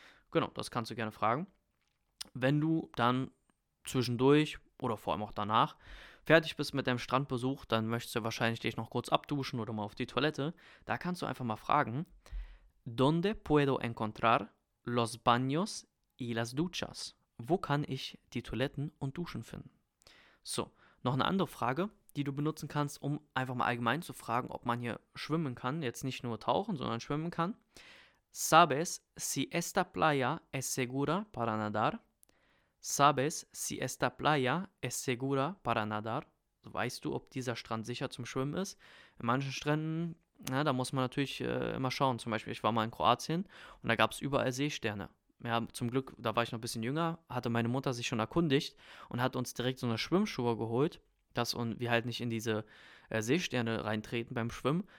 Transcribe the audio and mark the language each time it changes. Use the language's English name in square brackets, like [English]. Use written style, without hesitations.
[German] Genau, das kannst du gerne fragen. Wenn du dann zwischendurch oder vor allem auch danach fertig bist mit deinem Strandbesuch, dann möchtest du wahrscheinlich dich noch kurz abduschen oder mal auf die Toilette, da kannst du einfach mal fragen, [Spanish] ¿Dónde puedo encontrar los baños y las duchas? [German] Wo kann ich die Toiletten und Duschen finden? So, noch eine andere Frage, die du benutzen kannst, um einfach mal allgemein zu fragen, ob man hier schwimmen kann, jetzt nicht nur tauchen, sondern schwimmen kann. [Spanish] ¿Sabes si esta playa es segura para nadar? ¿Sabes si esta playa es segura para nadar? [German] Weißt du, ob dieser Strand sicher zum Schwimmen ist? In manchen Stränden, na, da muss man natürlich immer schauen. Zum Beispiel, ich war mal in Kroatien und da gab es überall Seesterne. Ja, zum Glück, da war ich noch ein bisschen jünger, hatte meine Mutter sich schon erkundigt und hat uns direkt so eine Schwimmschuhe geholt, dass wir halt nicht in diese Seesterne reintreten beim Schwimmen.